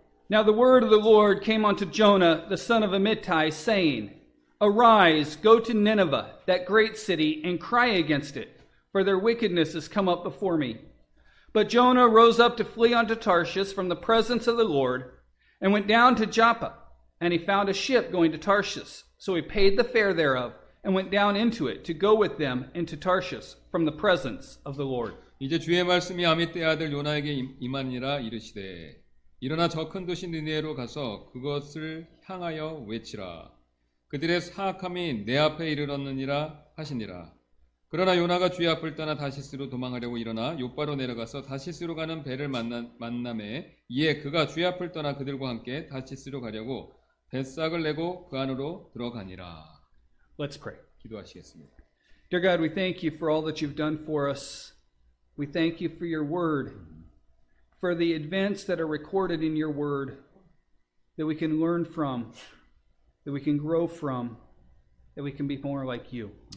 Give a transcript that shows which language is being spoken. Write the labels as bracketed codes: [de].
[en] Now the word of the Lord came unto Jonah, the son of Amittai, saying, Arise, go to Nineveh, that great city, and cry against it, for their wickedness has come up before me. But Jonah rose up to flee unto Tarshish from the presence of the Lord, and went down to Joppa, and he found a ship going to Tarshish. So he paid the fare thereof, and went down into it to go with them into Tarshish from the presence of the Lord. [ko] 이제 주의 말씀이 아미떼 아들 요나에게 임하니라 이르시되, 일어나 저 큰 도시 니네로 가서 그것을 향하여 외치라. 그들의 사악함이 내 앞에 이르렀느니라 하시니라. 그러나 요나가 주의 앞을 떠나 다시스로 도망하려고 일어나 욥바로 내려가서 다시스로 가는 배를 만남에 이에 그가 주의 앞을 떠나 그들과 함께 다시스로 가려고 뱃삭을 내고 그 안으로 들어가니라. [en] Let's pray. [ko] 기도하시겠습니다. [en] Dear God, we thank you for all that you've done for us. We thank you for your word. For the events that are recorded in your word that we can learn from. That we can grow from, that we can be more like you.